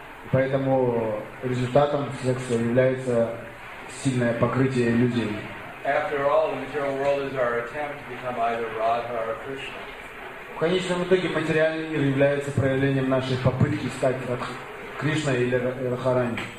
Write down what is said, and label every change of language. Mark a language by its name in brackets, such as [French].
[Russian] Поэтому результатом секса является сильное покрытие иллюзией. [English] After all, the material world is our attempt to become either Radha or Krishna. [Russian] В конечном итоге материальный мир является проявлением нашей попытки стать Кришной или Радхарани.